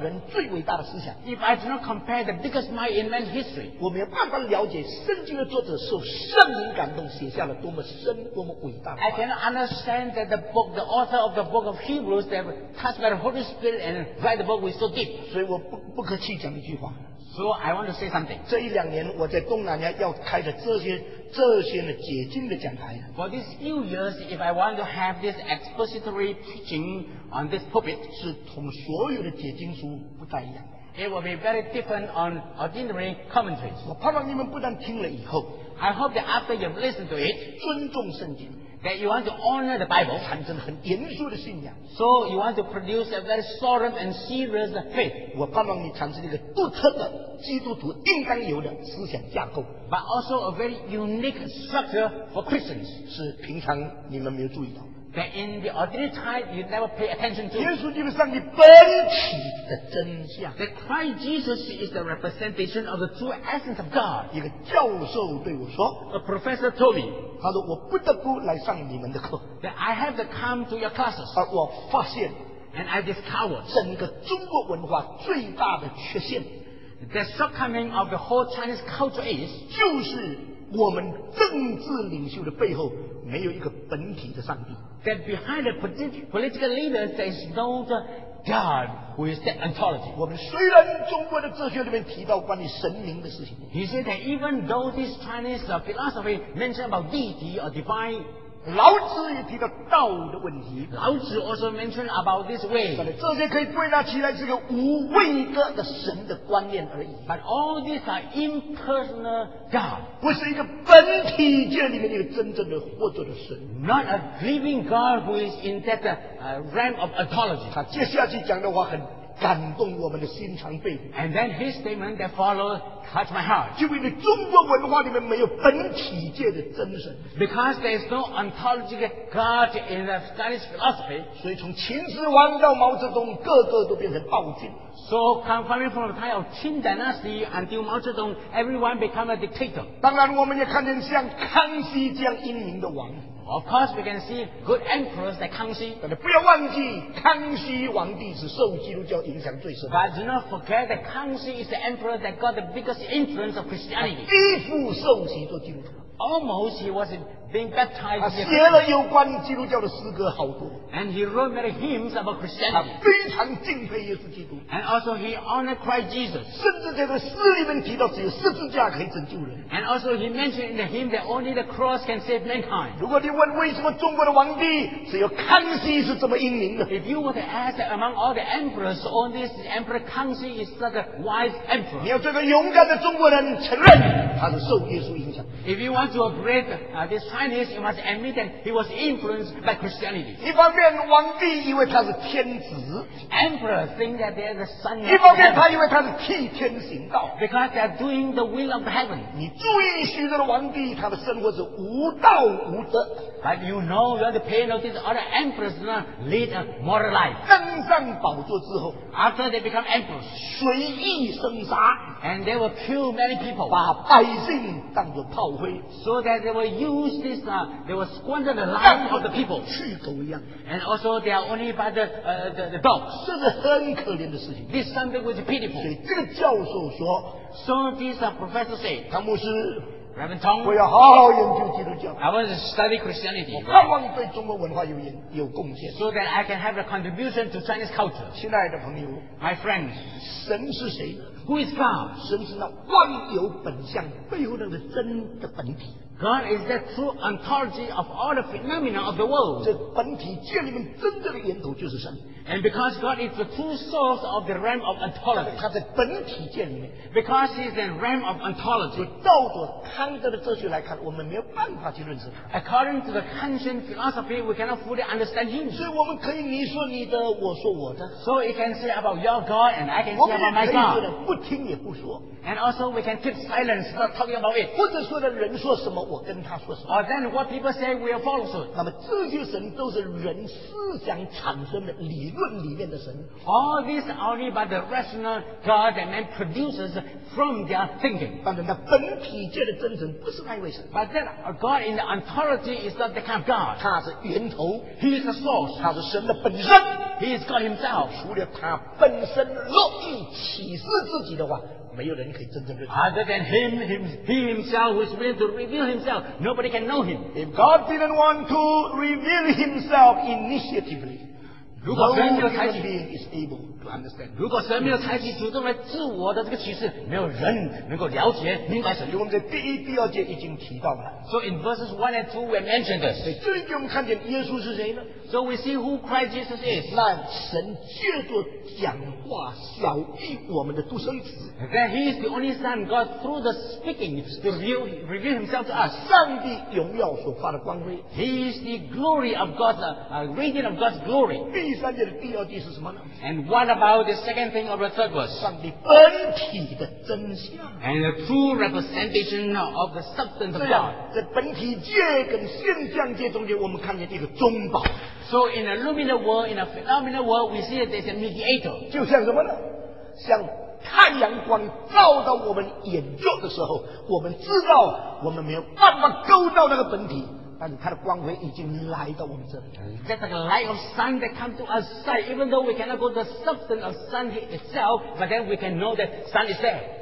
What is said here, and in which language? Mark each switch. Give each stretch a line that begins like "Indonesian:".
English: If I do not compare the biggest mind in man's history, I cannot understand that the author of the book of Hebrews, that was touched by the Holy Spirit and write the book with so deep. So I want to say something.
Chinese: 这一两年我在东南亚要开的这些的解经的讲台。
English: For these few years, if I want to have this expository teaching on this pulpit,
Chinese: 是同所有的解经书不太一样。
English: It will be very different on ordinary commentaries.
Chinese: 我盼望你们不但听了以后
English: ，I hope that after you've listened to it,
Chinese: 尊重圣经。
English: that you want to honor the Bible,
Chinese: 产生很严肃的信仰。
English: So you want to produce a very solemn and serious faith.
Chinese: 我盼望你产生一个独特的基督徒应当有的思想架构。
English: But also a very unique structure for Christians.
Chinese: 是平常你们没有注意到。
English: That in the ordinary time you never pay attention to.
Chinese: 耶稣基督上帝本体的真相。
English: That Christ Jesus is the representation of the true essence of God.
Chinese: 一个教授对我说。
English: A professor told me.
Chinese: 他说我不得不来上你们的课。
English: That I have to come to your classes.
Chinese: 而我发现。
English: And I discovered.
Chinese: 整个中国文化最大的缺陷。
English: The shortcoming of the whole Chinese culture is.
Chinese: 就是我们政治领袖的背后没有一个本体的上帝。
English: That behind the political leaders there is no God who is the ontology.
Chinese: 我们虽然中国的哲学里面提到关于神明的事情。
English: He said that even though this Chinese philosophy mentioned about deity or divine,
Chinese: 老子也提到道的问题。
English: 老子 also mentioned about this way.
Chinese: 这些可以归纳起来是个无位格的神的观念而已。
English: But all these are impersonal God.
Chinese: 不是一个本体界里面一个真正的活着的神。
English: Not a living God who is in that realm of ontology.
Chinese: 他接下去讲的话很感动我们的心肠肺腑。
English: And then his statement that followed touched my heart.
Chinese: 就因为中国文化里面没有本体界的真神。
English: Because there is no ontological God in the Chinese philosophy.
Chinese: 所以从秦始皇到毛泽东，个个都变成暴君。
English: So coming from the time of Qing Dynasty until Mao Zedong, everyone became a dictator.
Chinese: 当然，我们也看见像康熙这样英明的王。
English: Of course, we can see good emperors like 康熙。
Chinese: 但是不要忘记，康熙皇帝是受基督教影响最深。
English: But do not forget that 康熙 is the emperor that got the biggest influence of Christianity.
Chinese: 几乎受洗做基督徒。
English: Almost he was being baptized.
Chinese: 他写了有关基督教的诗歌好多。
English: And he wrote many hymns about Christianity.
Chinese: 他非常敬佩耶稣基督。
English: And also he honored Christ Jesus.
Chinese: 甚至在这诗里面提到只有十字架可以拯救人。
English: And also he mentioned in the hymn that only the cross can save mankind.
Chinese: 如果你问为什么中国的皇帝只有康熙是这么英明的。
English: If you were to ask that among all the emperors, only this emperor 康熙 is such a wise emperor.
Chinese: 你要这个勇敢的中国人承认他是受耶稣影响。
English: If you want to upgrade this Chinese, you must admit that he was influenced by Christianity.
Chinese: 一方面皇帝以为他是天子。
English: Emperor think that they are the son of heaven.
Chinese: 一方面他以为他是替天行道。
English: Because they are doing the will of heaven.
Chinese: 你注意许多的皇帝他的生活是无道无德。
English: But you know, you have to pay notice all the emperors lead a moral life.
Chinese: 登上宝座之后。
English: After they become emperors.
Chinese: 随意生杀。
English: And they will kill many people.
Chinese: 把百姓当作炮灰。
English: So that they will use this, they will squander the life of the people.
Chinese: 去狗一样。
English: And also they are only by the dogs.
Chinese: 这是很可怜的事情。
English: This is something which is pitiful.
Chinese: 所以这个教授说。
English: So this professor said.
Chinese: 唐牧师。
English: Reverend Tong.
Chinese: 我要好好研究基督教。
English: I want to study Christianity.
Chinese: 我盼望对中国文化有贡献。
English: So that I can have a contribution to Chinese culture.
Chinese: 亲爱的朋友。
English: My friends.
Chinese: 神是谁？
English: Who is God?
Chinese: 神是那万有本相背后那个真的本体。
English: God is the true ontology of all the phenomena of the world.
Chinese: 这本体界里面真正的源头就是神。
English: And because God is the true source of the realm of ontology.
Chinese: 他在本体界里面。
English: Because he is the realm of ontology.
Chinese: 照着康德的哲学来看，我们没有办法去认识他。
English: According to the Kantian philosophy, we cannot fully understand him.
Chinese: 所以我们可以你说你的，我说我的。
English: So you can say about your God and I can say about my God.
Chinese: 我们也可以说的，不听也不说。
English: And also we can keep silence, not talking about it.
Chinese: 或者说的人说什么，我跟他说什么。
English: Or then what people say, we will follow suit.
Chinese: 那么这些神都是人思想产生的理论。论里面的神
English: ，all this only by the rational God that man produces from their thinking。
Chinese: 但是那本体界的真神不是那一位神
English: ，but that God in the ontology is not the kind of God。
Chinese: 他是源头
English: ，He is the source。
Chinese: 他是神的本身
English: ，He is God Himself。
Chinese: 除了他本身乐意启示自己的话。没有人可以真正认识。
English: Other than he himself who is willing to reveal himself, nobody can know him。 If God didn't want to reveal himself initiatively。
Chinese: 如果 Samuel 采取
English: being is able to understand，
Chinese: 如果 Samuel 采取主动来自我的这个启示，没有人能够了解明白神。我们在第一、第二节已经提到了。
English: So in verses 1 and 2 we mentioned this。
Chinese: 这里给我们看见耶稣是谁呢
English: ？So we see who Christ Jesus is。
Chinese: 那神借着讲话晓谕我们的独生子。
English: That he is the only Son God through the speaking to reveal himself to us。
Chinese: 上帝荣耀所发的光辉。
English: He is the glory of God's radiant of God's glory。
Chinese: 第三节的第二句是什么呢
English: ？And what about the second thing of the third verse？
Chinese: 上帝本体的真相。
English: And the true representation of the substance of God。
Chinese: 在本体界跟现象界中间，我们看见一个中保。
English: So in a luminous world, in a phenomenal world, we see that there's a mediator。
Chinese: 就像什么呢？像太阳光照到我们眼角的时候，我们知道我们没有办法够到那个本体。但它的光辉已经来到我们这里。
English: That's like a light of sun that comes to us sight. Even though we cannot go to the substance of sun itself, but then we can know that sun is there.